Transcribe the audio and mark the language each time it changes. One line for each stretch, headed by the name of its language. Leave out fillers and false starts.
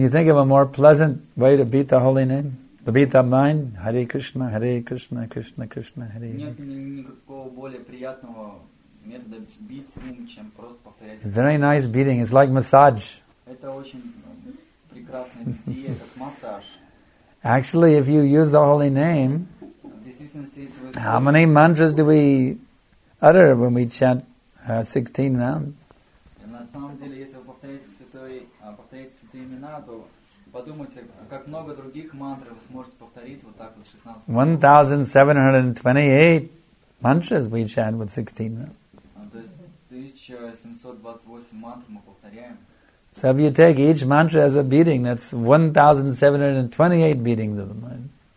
English: Can you think of a more pleasant way to beat the holy name? To beat the mind, Hare Krishna, Hare Krishna, Krishna Krishna, Hare.
Russian: Нет никакого более приятного метода бить ум, чем просто повторять.
English: It's very nice beating. It's like massage.
Russian: Это очень прекрасное битие, как массаж.
English: Actually, if you use the holy name, how many mantras do we utter when we chant 16 rounds?
Russian: На самом деле, если вы повторяете святые имена, то подумайте, как много других мантр вы сможете повторить вот так вот
English: 16. 1728 mantras we chant with 16 rounds.
Russian: То есть 1728 мантр мы повторяем.
English: So if you take each mantra as a beating, that's 1,728 beatings of the mind.